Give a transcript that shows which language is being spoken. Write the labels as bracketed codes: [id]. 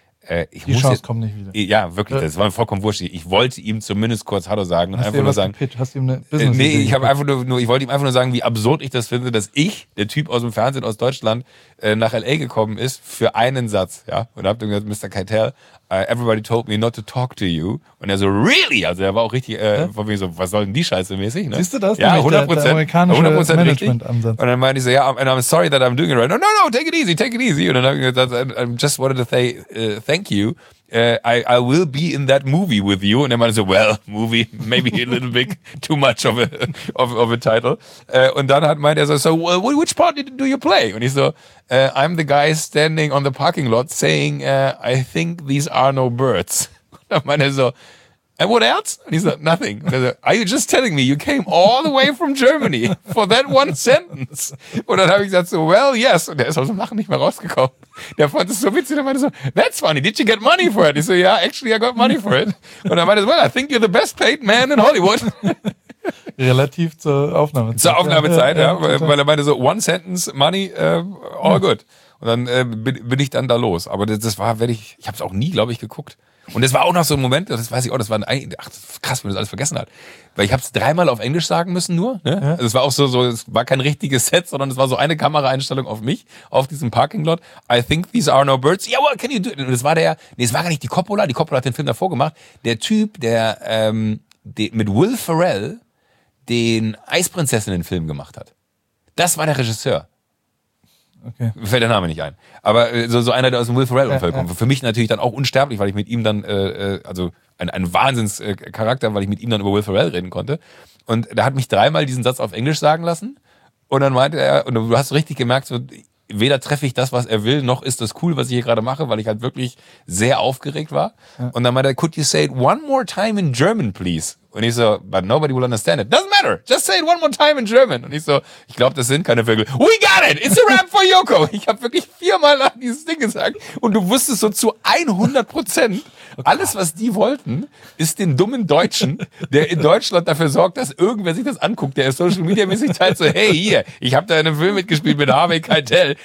[de] Die Chance jetzt, kommt nicht wieder. Ja, wirklich, das war mir vollkommen wurscht. Ich wollte ihm zumindest kurz Hallo sagen. Hast und einfach dir nur sagen, gepitcht? Hast du ihm eine Business-Idee? Nee, ich habe einfach nur, ich wollte ihm einfach nur sagen, wie absurd ich das finde, dass ich, der Typ aus dem Fernsehen aus Deutschland, nach L.A. gekommen ist für einen Satz. Ja, und hab dann gesagt, Mr. [en] Keitel, everybody told me not to talk to you. [de] Und er so, [en] really? [de] Also er war auch richtig von mir so, was soll denn die Scheiße mäßig? Ne? Siehst du das? Ja, 100%. Der amerikanische 100% Management-Ansatz. Und dann meinte ich so, ja, [en] and I'm sorry that I'm doing it right. No, take it easy. [de] Und dann habe ich gesagt, [en] I just wanted to say thank you. I will be in that movie with you. [de] Und er meinte so, [en] well, movie, maybe a little bit too much of a title. [de] Und dann meinte er so, [en] so which part do you play? [de] Und ich so, [en] I'm the guy standing on the parking lot saying, I think these are no birds. [de] Und dann meinte er so, [en] and what else? [de] Und ich so, [en] nothing. [de] Und er so, [en] are you just telling me you came all the way from Germany for that one sentence? [de] Und dann habe ich gesagt so, [en] well, yes. [de] Und er ist aus dem Lachen nicht mehr rausgekommen. Der fand es so witzig. Der meinte so, [en] that's funny. Did you get money for it? [de] Ich so, [en] yeah, actually, I got money for it. [de] Und er meinte so, [en] well, I think you're the best paid man in Hollywood. [de] Relativ zur Aufnahmezeit. Zur Aufnahmezeit, ja. Weil er meinte so, [en] one sentence, money, all good. [de] Und dann bin ich dann da los. Aber das war, ich habe es auch nie, glaube ich, geguckt. Und das war auch noch so ein Moment, das weiß ich auch, das war ein, ach, krass, wenn man das alles vergessen hat. Weil ich hab's dreimal auf Englisch sagen müssen nur, ne? Ja. Also es war auch so, es war kein richtiges Set, sondern es war so eine Kameraeinstellung auf mich, auf diesem Parkinglot. [en] I think these are no birds. Yeah, what can you do? [de] Und das war es war gar nicht die Coppola hat den Film davor gemacht. Der Typ, der, mit Will Ferrell den Eisprinzessinnen-Film gemacht hat. Das war der Regisseur. Okay. Fällt der Name nicht ein. Aber so einer, der aus dem Will Ferrell-Umfeld kommt. Für mich natürlich dann auch unsterblich, weil ich mit ihm dann, also ein Wahnsinnscharakter, weil ich mit ihm dann über Will Ferrell reden konnte. Und der hat mich dreimal diesen Satz auf Englisch sagen lassen. Und dann meinte er, und du hast richtig gemerkt, so, weder treffe ich das, was er will, noch ist das cool, was ich hier gerade mache, weil ich halt wirklich sehr aufgeregt war. Ja. Und dann meinte er, [en] could you say it one more time in German, please? [de] Und ich so, [en] but nobody will understand it. Doesn't matter. Just say it one more time in German. [de] Und ich so, ich glaube, das sind keine Vögel. [en] We got it. It's a rap for Joko. [de] Ich habe wirklich viermal nach dieses Ding gesagt. Und du wusstest so zu 100%, alles, was die wollten, ist den dummen Deutschen, der in Deutschland dafür sorgt, dass irgendwer sich das anguckt, der ist social media mäßig teilt, so, hey, hier, ich habe da in einem Film mitgespielt mit Harvey Keitel.